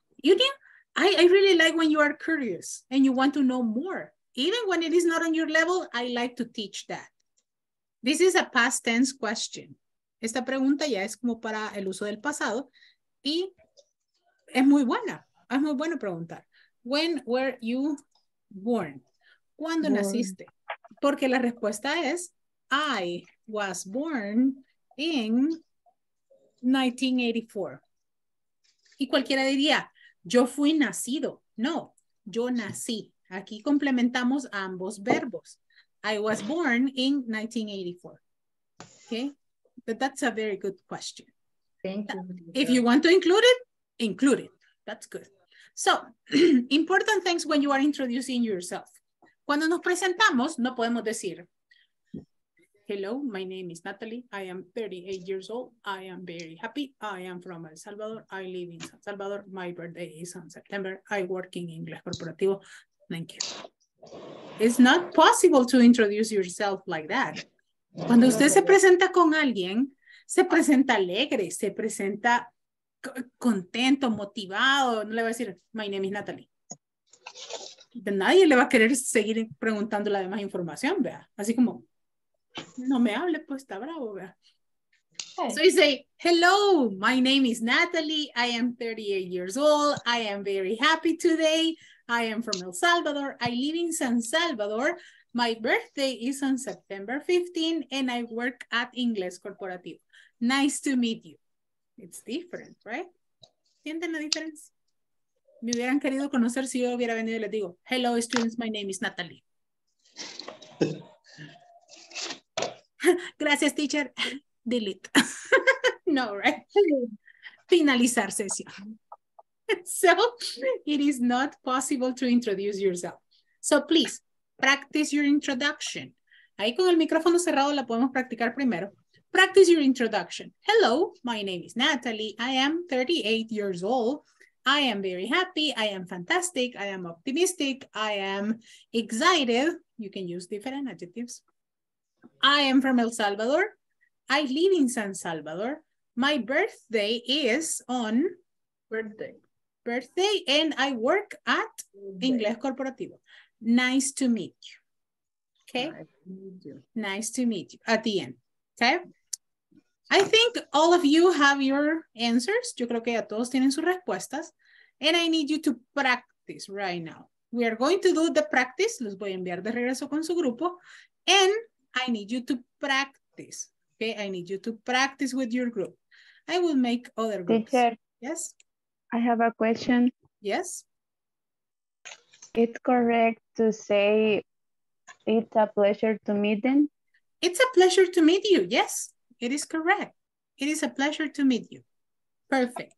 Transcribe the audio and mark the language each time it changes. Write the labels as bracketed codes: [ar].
[en] You can, I really like when you are curious and you want to know more. Even when it is not on your level, I like to teach that. This is a past tense question. [es] Esta pregunta ya es como para el uso del pasado y es muy buena. Es muy bueno preguntar. [en] When were you born? [es] ¿Cuándo naciste? Porque la respuesta es [en] I was born in 1984. [es] Y cualquiera diría, yo fui nacido. No, yo nací. Aquí complementamos ambos verbos. [en] I was born in 1984. Okay. But that's a very good question. Thank you. If you want to include it, include it. That's good. So, important things when you are introducing yourself. [es] Cuando nos presentamos, no podemos decir, [en] hello, my name is Natalie. I am 38 years old. I am very happy. I am from El Salvador. I live in San Salvador. My birthday is on September. I work in Ingles Corporativo. Thank you. It's not possible to introduce yourself like that. [es] Cuando usted se presenta con alguien, se presenta alegre, se presenta contento, motivado. No le va a decir, [en] my name is Natalie. [es] De nadie le va a querer seguir preguntando la demás información, vea. Así como, no me hable, pues está bravo, vea. [en] Hey. So you say, hello, my name is Natalie. I am 38 years old. I am very happy today. I am from El Salvador. I live in San Salvador. My birthday is on September 15 and I work at Ingles Corporativo. Nice to meet you. It's different, right? [es] ¿Sienten la diferencia? Me hubieran querido conocer si yo hubiera venido y les digo, [en] hello students, my name is Natalie. [es] Gracias, teacher. [en] Delete. No, right? [es] Finalizar sesión. [en] So it is not possible to introduce yourself. So please practice your introduction. [es] Ahí con el micrófono cerrado la podemos practicar primero. [en] Practice your introduction. Hello, my name is Natalie. I am 38 years old. I am very happy. I am fantastic. I am optimistic. I am excited. You can use different adjectives. I am from El Salvador. I live in San Salvador. My birthday is on birthday, and I work at Ingles Corporativo. Nice to meet you. Okay. Nice to meet you at the end. Okay. I think all of you have your answers. [es] Yo creo que ya todos tienen sus respuestas. [en] And I need you to practice right now. We are going to do the practice. [es] Los voy a enviar de regreso con su grupo. [en] And I need you to practice. Okay, I need you to practice with your group. I will make other groups. Teacher, yes? I have a question. Yes? It's correct to say it's a pleasure to meet them? It's a pleasure to meet you, yes. It is correct. It is a pleasure to meet you. Perfect.